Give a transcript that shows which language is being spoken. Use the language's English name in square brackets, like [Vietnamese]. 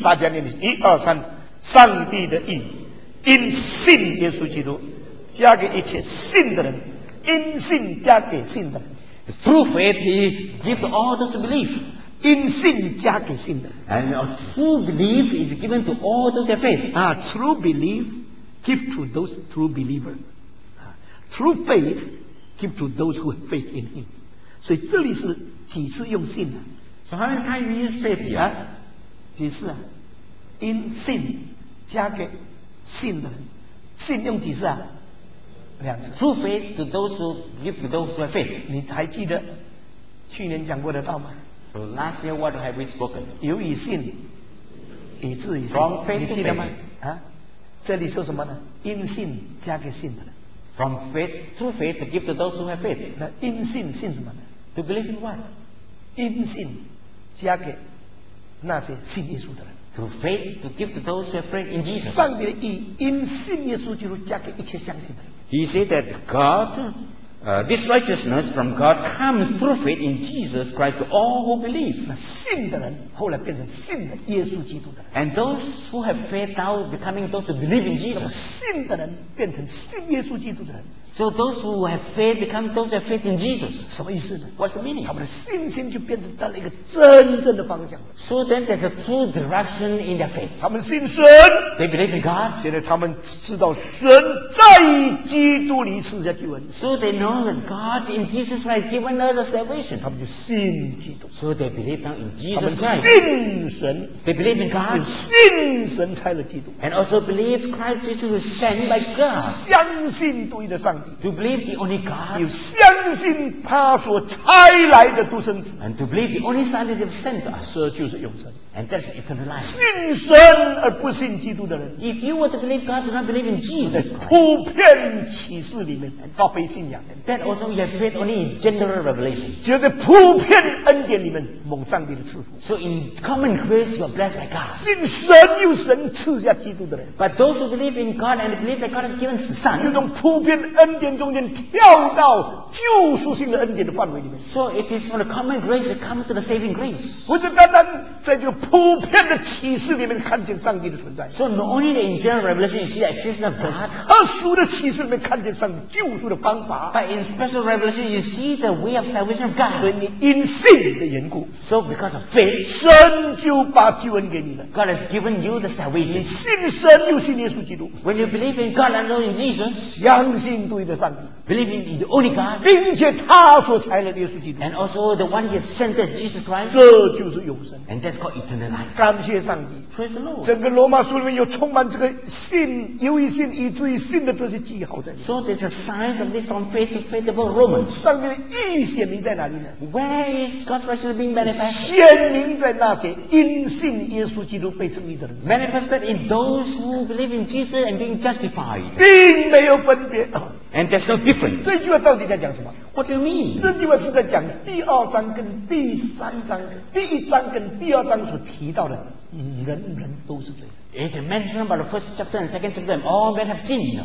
[Chinese] 大家念的是一二三，上帝的义，因信耶稣基督，加给一切信的人，因信加给信的人。 [English] Through faith, he gives all those who believe. [Chinese] In 信加给信的。 [English] And true belief is given to all those have faith. True belief give to those true believer. True faith give to those who have faith in him. [Chinese] 所以这里是几次用信呢 [English] ？So how many times you use faith here? [Chinese] 几次啊 ？In 信加给信的人，信用几次啊？两次 [English] ，true faith to those who give to those who have faith。 [Chinese] 你还记得去年讲过的道吗 [English] ？So last year what have we spoken？ [Chinese] 由以信，以至以信。 [English] From faith to faith。 [Chinese] 你记得吗？啊，这里说什么呢 ？In 信加给信的。 [English] From faith, true faith to give to those who have faith。 [Chinese] 那 in 信什么呢 [English] ？To believe in what？ [Chinese] In 信加给那些信耶稣的人。 [English] To faith, to give to those who have faith in Jesus. [Chinese] 上帝的意因信耶稣基督加给一切相信的人。 [English] He said that God, this righteousness from God comes through faith in Jesus Christ to all who believe. [Chinese] 那信的人后来变成信的耶稣基督的人。 [English] And those who have faith now becoming those who believe in Jesus. [Chinese] 信的人变成信耶稣基督的人。 [English] So those who have faith become those who have faith in Jesus. [Chinese] 什么意思呢？ [English] What's the meaning? [Chinese] 他们的信心就变成到了一个真正的方向。 [English] So then there's a true direction in their faith. [Chinese] 他们信神。 [English] They believe in God. [Chinese] 现在他们知道神在基督里赐下救恩。 [English] So they know that God in Jesus Christ given us a salvation. [Chinese] 他们就信基督。 [English] So they believe now in Jesus Christ. [Chinese] 他们信神。 [English] They believe in God. [Chinese] 信神才了基督。 [English] And also believe Christ Jesus is sent by God. [Chinese] 相信独一的上帝。 [English] To believe the only God, [Chinese] 你相信他所差来的独生子。 [English] And to believe the only Son that He sent to us, [Chinese] 这就是永生。 [English] And that's eternal life. [Chinese] 信神而不信基督的人。 [English] If you were to believe God, do not believe in Jesus. [Chinese] 在普遍启示里面，发挥信仰。 [English] That also you have faith only in general revelation. [Chinese] 就在普遍恩典里面蒙上帝的赐福。 [English] So in common grace, you are blessed by God. [Chinese] 信神又神赐下基督的人。 [English] But those who believe in God and believe that God has given His Son, [Chinese] 就从普遍恩典中间跳到救赎性的恩典的范围里面。 [English] So it is from the common grace that comes to the saving grace. [Chinese] 不是单单在这个普遍的启示里面看见上帝的存在。 [English] So not only in general revelation you see the existence of God. [Chinese] 特殊的启示里面看见上帝救赎的方法。 [English] But in special revelation you see the way of salvation of God. [Chinese] 所以你因信的缘故。 [English] So because of faith, [Chinese] 神就把救恩给你了。 [English] God has given you the salvation. [Chinese] 你信神又信耶稣基督。 [English] When you believe in God and know in Jesus, [Chinese] 相信独一的上帝。 [English] Believe in the only God, [Chinese] 并且他所差来的耶稣基督。 [English] And also the one He has sent, that Jesus Christ. [Chinese] 这就是永生。 [English] And that's called eternal life. [Chinese] 感谢上帝。 [English] Praise the Lord. [Chinese] 整个罗马书里面有充满这个信，由于信以至于信的这些记号在里面。 [English] So there's a sign of this from faith to faith about Romans. [Chinese] 上帝的义显明在哪里呢？ [English] Where is God's righteousness being manifested? [Chinese] 显明在那些因信耶稣基督被称义的人。 [English] Manifested in those who believe in Jesus and being justified. [Chinese] 并没有分别。 [English] And there's no difference. [Chinese] 这句话到底在讲什么？ [English] What do you mean? [Chinese] 这句话是在讲第二章跟第三章，第一章跟第二章所提到的，人人都是罪。 [English] It mentioned about the first chapter and second chapter, all men have sinned.